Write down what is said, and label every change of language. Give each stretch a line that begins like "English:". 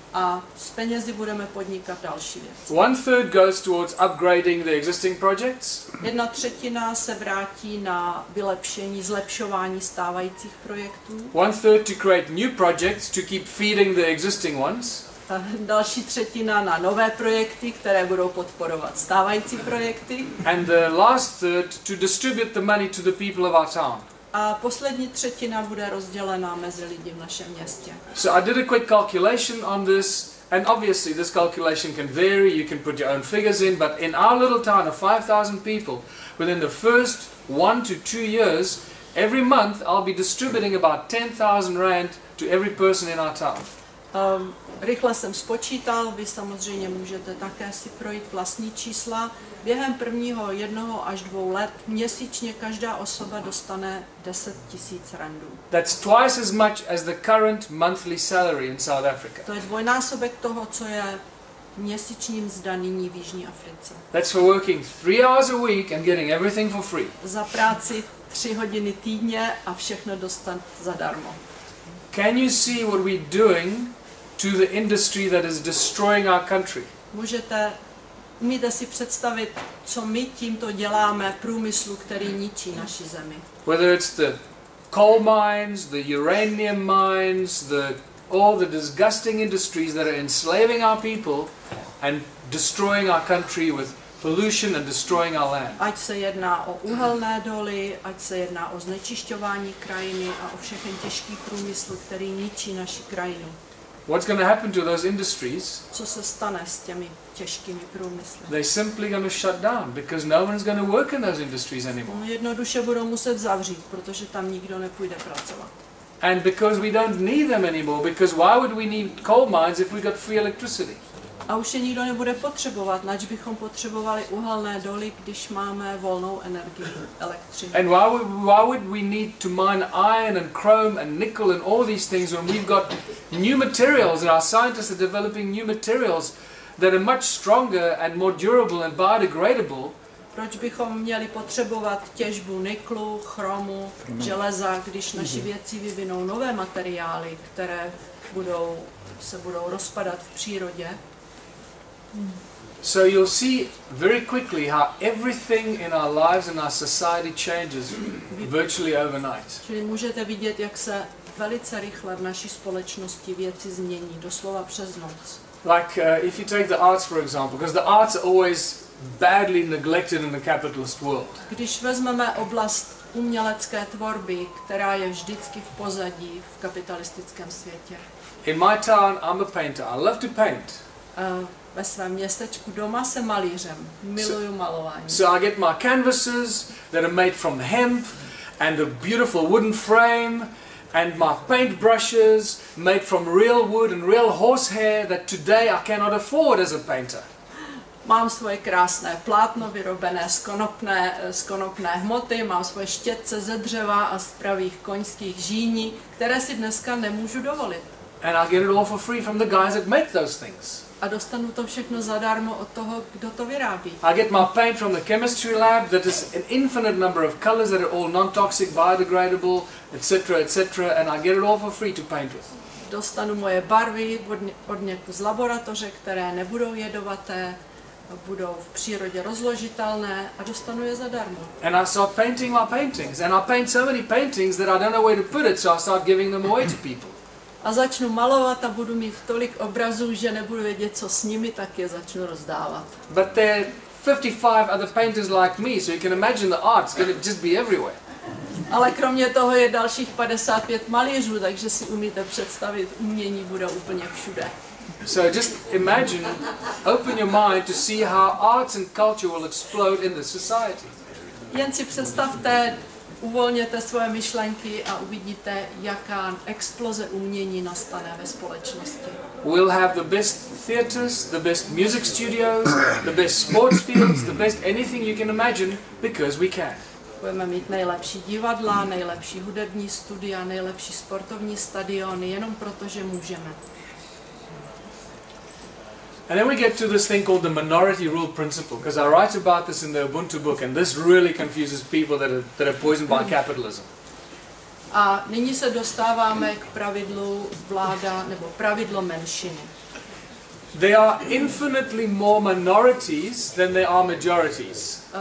Czech: A s penězi budeme podnikat další věci.
English: One third goes towards upgrading the existing projects.
Czech: Jedna třetina se vrátí na vylepšení, zlepšování stávajících projektů.
English: One third to create new projects to keep feeding the existing ones.
Czech: Další třetina na nové projekty, které budou podporovat stávající projekty.
English: And the last third to distribute the money to the people of our town.
Czech: A poslední třetina bude rozdělena mezi lidi v našem městě.
English: So I did a quick calculation on this, and obviously this calculation can vary, you can put your own figures in, but in our little town of 5,000 people, within the first 1 to 2 years, every month I'll be distributing about 10,000 rand to every person in our town.
Czech: Rychle jsem spočítal, vy samozřejmě můžete také si projít vlastní čísla. Během prvního 1 až 2 let měsíčně každá osoba dostane 10 000 randů.
English: That's twice as much as the current monthly salary in South Africa.
Czech: To je dvojnásobek toho, co je měsíční mzda nyní v Jižní Africe.
English: That's for working 3 hours a week and getting everything for free.
Czech: Za práci 3 hodiny týdně a všechno dostat zadarmo.
English: Can you see what we're doing to the industry that is destroying our country?
Czech: Umíte si představit, co my tímto děláme průmyslu, který ničí naši zemi?
English: Whether it's the coal mines, the uranium mines, all the disgusting industries that are enslaving our people and destroying our country with pollution and destroying our land.
Czech: Ať se jedná o uhelné doly, ať se jedná o znečišťování krajiny a o všechen těžký průmysl, který ničí naši krajinu.
English: What's going to happen to those industries?
Czech: Co se stane s těmi těžkými průmysly?
English: They simply going to shut down because no one's going to work in those industries anymore.
Czech: No, jednoduše budou muset zavřít, protože tam nikdo nepůjde pracovat.
English: And because we don't need them anymore, because why would we need coal mines if we got free electricity?
Czech: A už je nikdo nebude potřebovat, nač bychom potřebovali uhelné doly, když máme volnou energii, elektřinu.
English: And why would we need to mine iron and chrome and nickel and all these things when we've got new materials and our scientists are developing new materials that are much stronger and more durable and biodegradable?
Czech: Proč bychom měli potřebovat těžbu niklu, chromu, železa, když naši vědci vyvinou nové materiály, které se budou rozpadat v přírodě?
English: So you'll see very quickly how everything in our lives and our society changes virtually overnight.
Czech: Čili můžete vidět, jak se velice rychle v naší společnosti věci změní, doslova přes noc.
English: Like if you take the arts for example, because the arts are always badly neglected in the capitalist world.
Czech: Když vezmeme oblast umělecké tvorby, která je vždycky v pozadí v kapitalistickém světě.
English: In my town, I'm a painter. I love to paint.
Czech: Ve svém městečku doma jsem malířem. Miluju malování.
English: So I get my canvases that are made from hemp and a beautiful wooden frame and my paint brushes made from real wood and real horse hair that today I cannot afford as a painter.
Czech: Mám svoje krásné plátno vyrobené z konopné hmoty, mám svoje štětce ze dřeva a z pravých koňských žíní, které si dneska nemůžu dovolit.
English: And I get it all for free from the guys that make those things.
Czech: A dostanu to všechno zadarmo od toho, kdo to vyrábí.
English: I get my paint from the chemistry lab that is an infinite number of colors that are all non-toxic, biodegradable, etc., etc., and I get it all for free to paint with.
Czech: Dostanu moje barvy od někoho z laboratoře, které nebudou jedovaté, budou v přírodě rozložitelné a dostanu je zadarmo.
English: And I start painting my paintings, and I paint so many paintings that I don't know where to put it, so I start giving them away to people.
Czech: A začnu malovat a budu mít tolik obrazů, že nebudu vědět, co s nimi, tak je začnu rozdávat.
English: But there are 55 other painters like me, so you can imagine the art's going to just be everywhere.
Czech: Ale kromě toho je dalších 55 malířů, takže si umíte představit, umění bude úplně všude.
English: So just imagine, open your mind to see how arts and culture will explode in the society.
Czech: Jen si představte, uvolněte svoje myšlenky a uvidíte, jaká exploze umění nastane ve společnosti.
English: We'll have the best theaters, the best music studios, the best sports fields, the best anything you can imagine, because we can.
Czech: Budeme mít nejlepší divadla, nejlepší hudební studia, nejlepší sportovní stadiony, jenom protože můžeme.
English: And then we get to this thing called the minority rule principle, because I write about this in the Ubuntu book, and this really confuses people that are poisoned by capitalism.
Czech: A nyní se dostáváme k pravidlu vláda nebo pravidlo menšiny.
English: There are infinitely more minorities than there are majorities.